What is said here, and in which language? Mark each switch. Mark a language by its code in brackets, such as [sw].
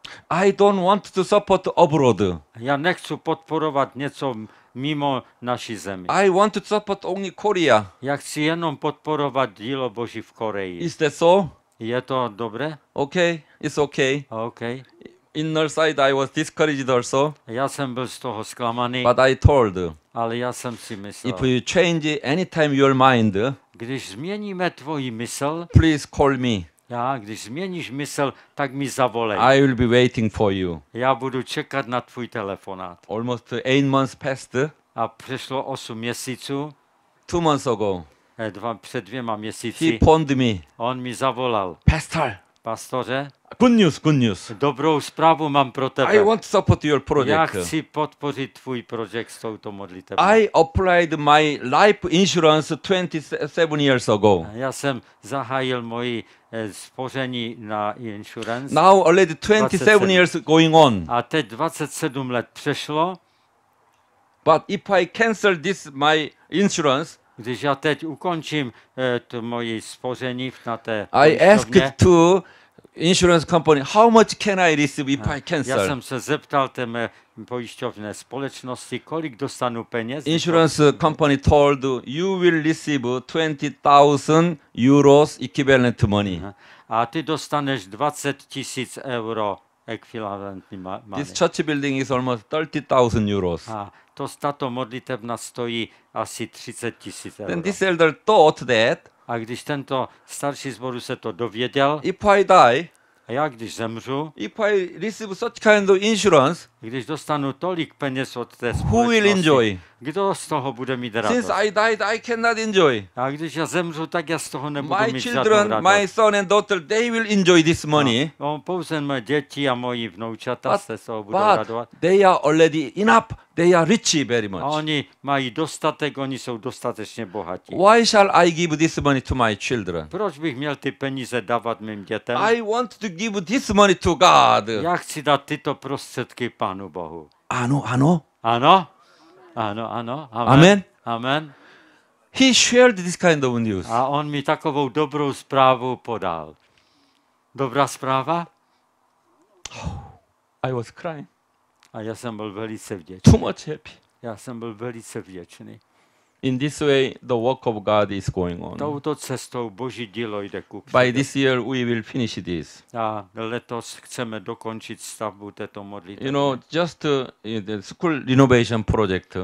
[en] I don't want to support abroad. [cs] Já nechci podporovat něco mimo naší zemi. [en] I want to support only Korea. [cs] Já chci jenom podporovat dílo Boží v Koreji. [en] Is that so? [cs] Je to dobré? [en] Okay, it's okay. Okay. Inner side, I was discouraged also. [cs] Já jsem byl z toho zklamaný. [en] But I told. [cs] Ale já jsem si myslel. [en] If you change anytime your mind. [cs] Když změníme tvoji mysl. [en] Please call me. [cs] Já, když změníš mysl, tak mi zavolej. [en] I will be waiting for you. [cs] Já budu čekat na tvůj telefonát. [en] Almost 8 months passed. [cs] A přešlo 8 měsíců. [en] 2 months ago. [cs] Před 2 měsíci. [en] He phoned me. [cs] On mi zavolal. [en] Pastor. [cs] Pastore. [en] Good news. [cs] Dobrou zprávu mám pro tebe. [en] I want to support your project. [cs] Já chci podpořit tvůj projekt s touto modlitbou. [en] I applied my life insurance 27 years ago. [cs] Já jsem zahájil moji spoření na insurance. [en] Now already 27 years going on. [cs] A teď 27 let přešlo. [en] But if I cancel this my insurance. [cs] Když já teď ukončím to moje spoření na té pojišťovně. [en] I asked to insurance company, how much can I receive if I cancel? [cs] Já jsem se zeptal té mé pojišťovné společnosti, kolik dostanu peněz. [en] Insurance company told you will receive 20,000 euros equivalent money. [cs] A ty dostaneš 20 000 euro [en] equivalent money. This church building is almost 30,000 euros. [cs] To tato modlitevna stojí asi 30 000 euro. [en] Then this elder thought that. [cs] A když tento starší zboru se to dověděl. [en] If I die. [cs] A já když zemřu. [en] If I receive such kind of insurance. [cs] Když dostanu tolik peněz od té společnosti. [en] Who will enjoy? [cs] Kdo z toho bude mít radost? [en] Since I died, I cannot enjoy. [cs] A když já zemřu, tak já z toho nebudu [en] my [cs] mít [en] children, [cs] radost. [en] My children, my son and daughter, they will enjoy this money. [cs] No, pouze moje děti a moji vnoučata se z toho budou [en] but [cs] radovat. [en] They are already enough. They are rich very much. [cs] A oni mají dostatek, oni jsou dostatečně bohatí. [en] Why shall I give this money to my children? [cs] Proč bych měl ty peníze dávat mým dětem? [en] I want to give this money to God. [cs] Já chci dát tyto prostředky Pánu Bohu. Ano, ano. Ano. Ano, ano. Amen. Amen. Amen. [en] He shared this kind of news. [cs] A on mi takovou dobrou zprávu podal. dobrá zpráva? [en] I was crying. [cs] A já jsem byl velice vděčný. [en] Too much happy. [cs] Já jsem byl velice vděčný. [en] In this way, the work of God is going on. [cs] Touto cestou Boží dílo jde ku příkladu. [en] By this year, we will finish this. [cs] A letos chceme dokončit stavbu této modlitby. [en] You know, just the school renovation project.